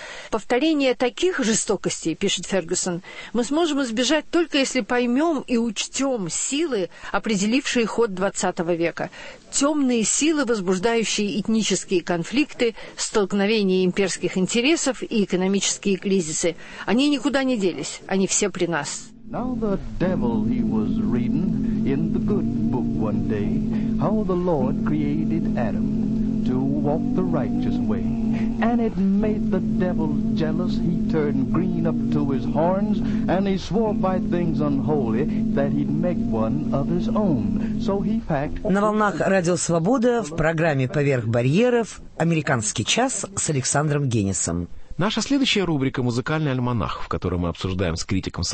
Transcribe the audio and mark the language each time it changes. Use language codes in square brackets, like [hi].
[ru] «Повторение таких жестокостей, — пишет Фергюсон, — мы сможем избежать только если поймем и учтем силы, определившие ход 20 века. Темные силы, возбуждающие этнические конфликты, столкновения имперских интересов и экономические кризисы. Они никуда не делись. Они все при нас». [en] Now the devil he was reading in the good book one day, how the Lord created Adam to walk the righteous way. And it made the devil jealous, he turned green up to his horns, and he swore by things unholy that he'd make one of his own. So he packed... [ru] На волнах Радио Свобода в программе «Поверх барьеров» «Американский час» с Александром Геннисом. Наша следующая рубрика «Музыкальный альманах», в которой мы обсуждаем с критиком Санатолием